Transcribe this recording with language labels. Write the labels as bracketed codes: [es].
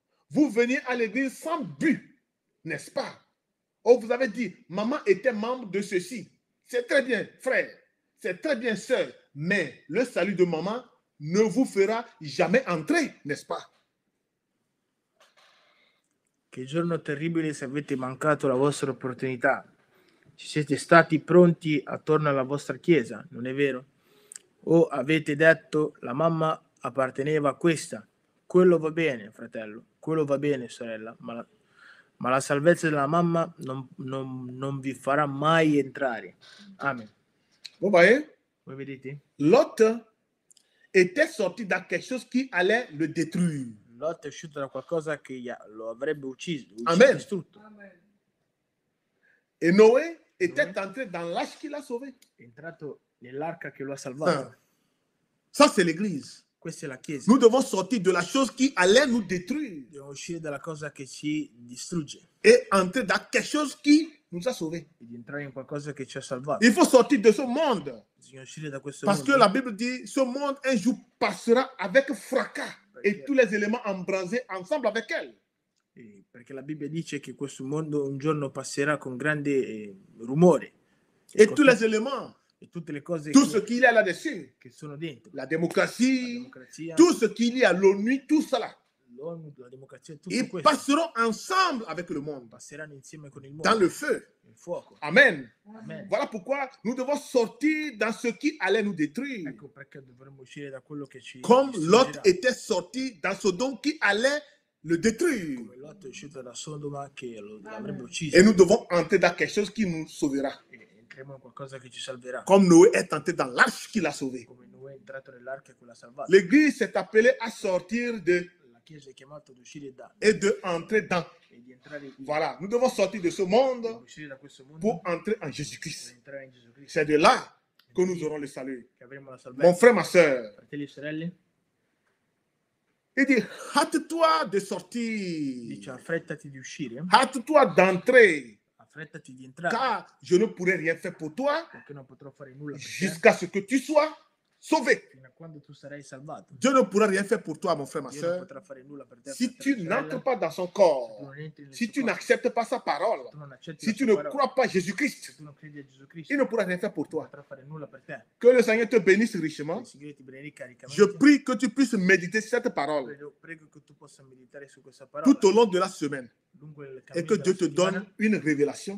[fr] Vous venez à l'église sans but, n'est-ce pas? Oh, vous avez dit, maman était membre de ceci. C'est très bien, frère. C'est très bien, sœur. Mais le salut de maman ne vous fera jamais entrer, n'est-ce pas? Quel jour terrible si vous avez manqué la [it] vostra [fr] opportunité. [it] ci siete stati pronti attorno alla vostra chiesa, non è vero? O avete detto la mamma apparteneva a questa. Quello va bene, fratello, quello va bene, sorella, ma la salvezza della mamma non vi farà mai entrare. Amen. [fr] Voyez? [it] Voi vedete? [fr] Lot était sorti dans quelque chose qui allait le détruire. [it] Lot è uscito da qualcosa che lo avrebbe ucciso. Amen. Distrutto. [fr] Amen. E Noè était entré dans l'arche qui l'a sauvé. [it] Entrato nell'arca che lo ha salvato. [fr] Ça, c'est l'Église. [it] Questa è la Chiesa. [fr] Nous devons sortir de la chose qui allait nous détruire. [it] Dobbiamo uscire dalla cosa che ci distrugge. [fr] Et entrer dans quelque chose qui nous a sauvé. [it] Ed entrare in qualcosa che ci ha salvato. [fr] Il faut sortir de ce monde. [it] Bisogna uscire da questo [fr] mondo. Parce que la Bible dit, ce monde un jour passera avec fracas et tous les éléments embrasés ensemble avec elle. [it] Perché la Bibbia dice che questo mondo un giorno passerà con grande rumore. [fr] Et tous les éléments. Et toutes les causes tout ce qu'il y a là-dessus, qui sont [it] dentro, [fr] la démocratie, tout ce qu'il y a, l'ONU, tout cela, l'ONU, la démocratie, tout ils [it] questo, [fr] passeront ensemble avec le monde, [it] passeront insieme con il mondo, [fr] dans le feu. [it] Il fuoco. Amen. Amen. [fr] Voilà pourquoi nous devons sortir dans ce qui allait nous détruire. [it] Ecco perché dovremmo uscire da quello che ci [fr] comme Lot était sorti dans Sodome qui allait le détruire. [it] Come Lot è uscito da Sodoma che lo avrebbe ucciso. [fr] Et nous devons entrer dans quelque chose qui nous sauvera. [it] Qualcosa che ci salverà. [fr] Comme Noé est entré dans l'arche qui l'a sauvé. [it] Come Noè è entrato nell'arca che l'ha salvato. [fr] L'Église s'est appelée à sortir de. [it] La Chiesa è chiamata ad uscire da. [fr] Et de entrer dans. [it] E di entrare in. [fr] Voilà, nous devons sortir de ce monde. [it] Uscire da questo mondo. [fr] Pour entrer en Jésus-Christ. [it] Per entrare in Gesù Cristo. [fr] C'est de là que nous aurons le salut. [it] Che avremo la salvezza. [fr] Mon frère, ma sœur. [it] Fratelli e sorelle. [fr] Il dit, hâte-toi de sortir. [it] Dice, affrettati di uscire. [fr] Hâte-toi d'entrer. [it] Affrettati di entrare. [fr] Car je ne pourrai rien faire pour toi. [it] Perché non potrò fare nulla per te. [fr] Jusqu'à ce que tu sois sauvé. [it] Fino a quando tu sarai salvato. [fr] Dieu ne pourra rien faire pour toi, mon frère, ma sœur. [it] Non potrà fare nulla per te. [fr] Si tu n'entres pas dans son corps. Si tu n'acceptes pas sa parole. Si tu ne crois pas Jésus-Christ. [it] Se tu non credi a Gesù Cristo. [fr] Il ne pourra rien faire pour toi. [it] Non potrà fare nulla per te. [fr] Que le Seigneur te bénisse richement. [it] Il Signore ti benedica caricamente. [fr] Je prie que tu puisses méditer cette parole. [it] Prego che tu possa meditare su questa parola. [fr] Tout au long de la semaine. Et que Dieu te donne une révélation